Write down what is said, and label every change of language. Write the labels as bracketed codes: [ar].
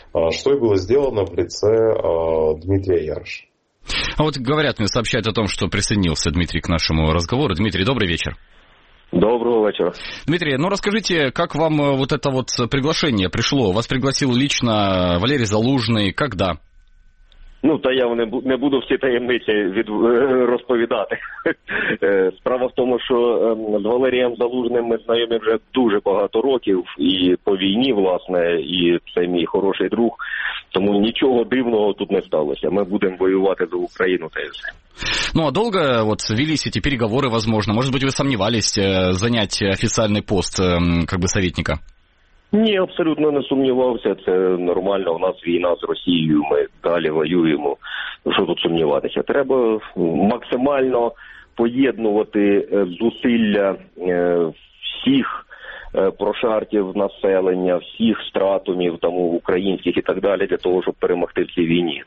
[ru] Что и было сделано в лице Дмитрия Ярша. А вот говорят мне, сообщают о том, что присоединился Дмитрий к нашему разговору. Дмитрий, добрый вечер. Доброго вечера. Дмитрий, ну расскажите, как вам вот это вот приглашение пришло? Вас пригласил лично Валерий Залужный. Когда? [uk] Ну, то я не буду всі таємниці розповідати. Справа в тому, що з Валерієм Залужним ми знайомі вже дуже багато років. І по війні, власне, і це мій хороший друг. Тому нічого дивного тут не сталося. Ми будемо воювати за Україну теж. [ru] Ну, а довго вот велись эти переговоры, возможно? Может быть, вы сомневались занять официальный пост, как бы, советника? [uk] Ні, абсолютно не сумнівався. Це нормально. У нас війна з Росією, ми далі воюємо. Що тут сумніватися? Треба максимально поєднувати зусилля всіх прошарків населення, всіх стратумів, там, українських і так далі, для того, щоб перемогти в цій війні.